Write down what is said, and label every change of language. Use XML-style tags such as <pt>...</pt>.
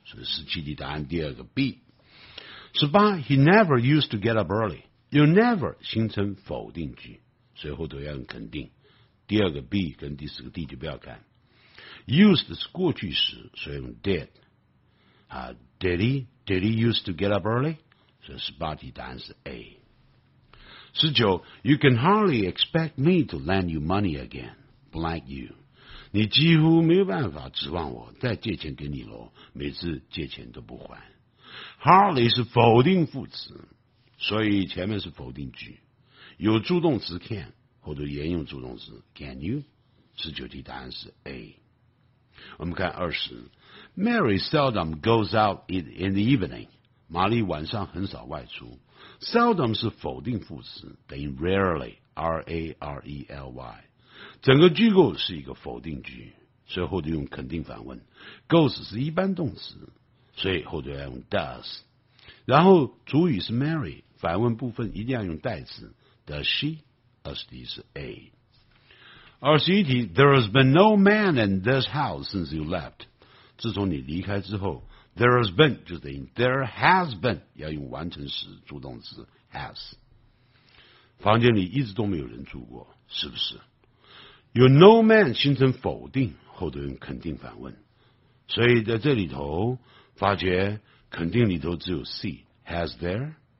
<zh>所以17题答案第二个 B。 18，</zh> <en>He never used to get up early，</en> <zh>You never 形成否定句，所以后头要用肯定。第二个 B 跟第四个 D 就不要看。 used 是过去时，所以用 did。</zh> <en>Did he used to get up early?</en> <zh>所以18题答案是 A。</zh> <en>19, you can hardly expect me to lend you money again, blank you.</en> <zh>你几乎没有办法指望我再借钱给你了，每次借钱都不还。 Hardly 是否定副词，所以前面是否定句。有助动词 can, 或者沿用助动词 can you? 19题答案是 A。我们看20,</zh> <en>Mary seldom goes out in the evening.</en> <zh>玛丽晚上很少外出。 Seldom 是否定副词，等于 rarely, R-A-R-E-L-Y。整个句构是一个否定句，所以后头用肯定反问。 Goes 是一般动词，所以后头要用 does。然后主语是 Mary, 反问部分一定要用代词 ,does she? 20题是 A。</zh> <en>21题 ,there has been no man in this house since you left.</en> <zh>自从你离开之后，</zh> <en>There has been,</en> <zh>就等于 there has been, 要用完成时助动词 has. 房间里一直都没有人住过，是不是？有 no man 形成否定，后头用肯定反问。所以在这里头发觉肯定里头只有 see, has there?</zh>